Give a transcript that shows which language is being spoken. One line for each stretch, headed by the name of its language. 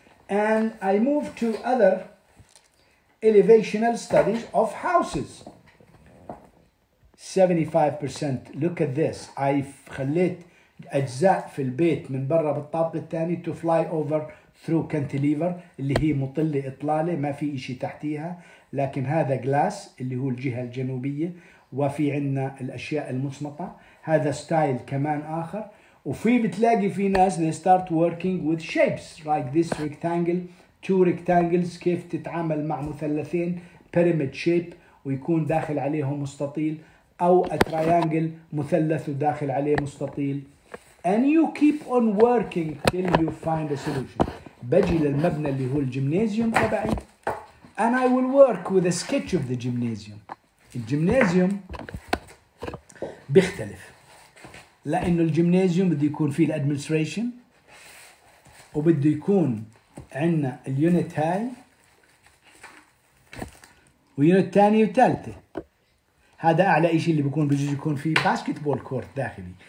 English: And I move to other elevational studies of houses. 75%. Look at this. I've
Arabic: خليت أجزاء في البيت من برا بالطابق الثاني
English: to fly over through cantilever
Arabic: اللي هي مطلة إطلالة ما في إشي تحتيها, لكن هذا glass اللي هو الجهة الجنوبية, وفي عندنا الأشياء المصمطة. هذا ستايل كمان آخر. وفي بتلاقي في ناس
English: they start working with shapes like this rectangle, two rectangles.
Arabic: كيف تتعامل مع مثلثين
English: pyramid shape
Arabic: ويكون داخل عليهم مستطيل, أو
English: a triangle
Arabic: مثلث وداخل عليه مستطيل.
English: And you keep on working till you find a solution.
Arabic: بجي للمبنى اللي هو الجيمنازيوم تبعي.
English: And I will work with a sketch of the gymnasium.
Arabic: الجيمنازيوم بيختلف. لأنه الجيمنازيوم بده يكون فيه الادمنستريشن. وبده يكون عندنا اليونت هاي. ويونت تاني وتالتي. هذا أعلى إشي اللي بيكون بجوز يكون في باسكتبول كورت داخلي.